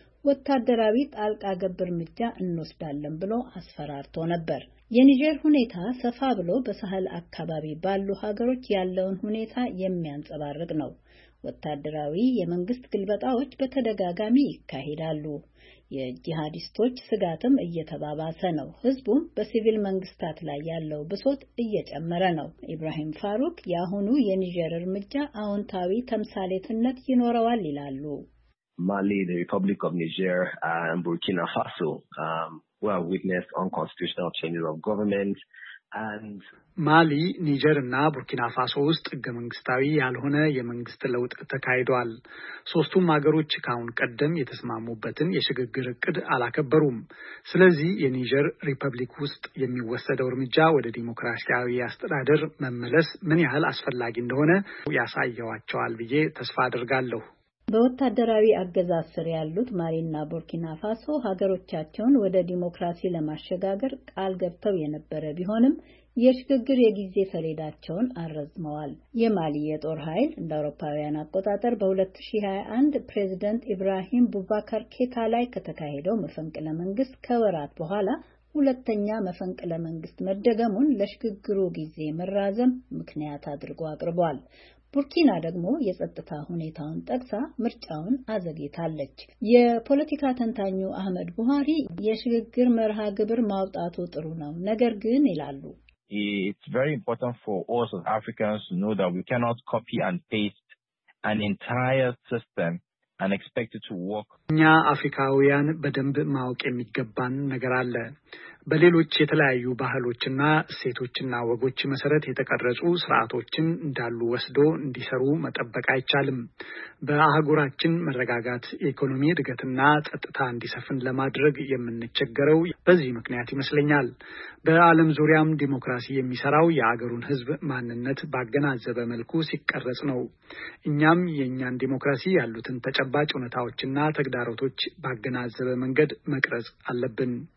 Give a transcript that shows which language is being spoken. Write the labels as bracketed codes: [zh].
[am] ወታደራዊ ጣልቃ ገብር ምርጫ እንወስዳለን ብሎ አስፈራርቶ ነበር። የኒጀር ሁኔታ ሰፋ ብሎ በሳህል አካባቢ ባሉ ሀገሮች ያለውን ሁኔታ የሚያንጸባርቅ ነው። ወታደራዊ የመንግስት ግልበጣዎች በተደጋጋሚ ይካሄዳሉ። የጂሃዲስቶች ስጋትም እየተባባሰ ነው። ህዝቡም በሲቪል መንግስታት ላይ ያለው ብሶት እየጨመረ ነው። ኢብራሂም ፋሩክ ያሁኑ የኒጀር እርምጃ አውንታዊ ተምሳሌትነት ይኖረዋል ይላሉ። [en] Mali, the Republic of Niger, and Burkina Faso, who have witnessed unconstitutional changes of government. And [am] Mali, Niger, and Burkina Faso ውስጥ ገመንግስታዊ ያልሆነ የመንግስት ለውጥ ተካሂዷል። ሶስቱም ሀገሮች ካሁን ቀደም የተስማሙበትን የሽግግር እቅድ አላከበሩም። ስለዚህ የኒጀር ሪፐብሊክ ውስጥ የሚወሰደው እርምጃ ወደ ዲሞክራሲያዊ አስተዳደር መመለስ ምን ያህል አስፈላጊ እንደሆነ ያሳያቸዋል ብዬ ተስፋ አድርጋለሁ። በወታደራዊ አገዛዝ ስር ያሉት ማሊና ቡርኪና ፋሶ ሀገሮቻቸውን ወደ ዲሞክራሲ ለማሸጋገር ቃል ገብተው የነበረ ቢሆንም የሽግግር የጊዜ ሰሌዳቸውን አረዝመዋል። የማሊ የጦር ኃይል እንደ አውሮፓውያን አቆጣጠር በ2021 ፕሬዝዳንት ኢብራሂም ቡባካር ኬታ ላይ ከተካሄደው መፈንቅለ መንግስት ከወራት በኋላ ሁለተኛ መፈንቅለ መንግስት መደገሙን ለሽግግሩ ጊዜ መራዘም ምክንያት አድርጎ አቅርቧል። ቡርኪና ደግሞ የጸጥታ ሁኔታውን ጠቅሳ ምርጫውን አዘግይታለች። የፖለቲካ ተንታኙ አህመድ ቡሃሪ የሽግግር መርሃ ግብር ማውጣቱ ጥሩ ነው ነገር ግን ይላሉ። [en] It's very important for us as Africans to know that we cannot copy and paste an entire system and expect it to work. [am] እኛ አፍሪካውያን በደንብ ማወቅ የሚገባን ነገር አለ። በሌሎች የተለያዩ ባህሎችና ሴቶችና ወጎች መሰረት የተቀረጹ ስርዓቶችን እንዳሉ ወስዶ እንዲሰሩ መጠበቅ አይቻልም። በአህጉራችን መረጋጋት፣ ኢኮኖሚ እድገትና ጸጥታ እንዲሰፍን ለማድረግ የምንቸገረው በዚህ ምክንያት ይመስለኛል። በዓለም ዙሪያም ዲሞክራሲ የሚሰራው የአገሩን ህዝብ ማንነት ባገናዘበ መልኩ ሲቀረጽ ነው። እኛም የኛን ዲሞክራሲ ያሉትን ተጨባጭ ሁኔታዎችና ተግዳሮቶች ባገናዘበ መንገድ መቅረጽ አለብን።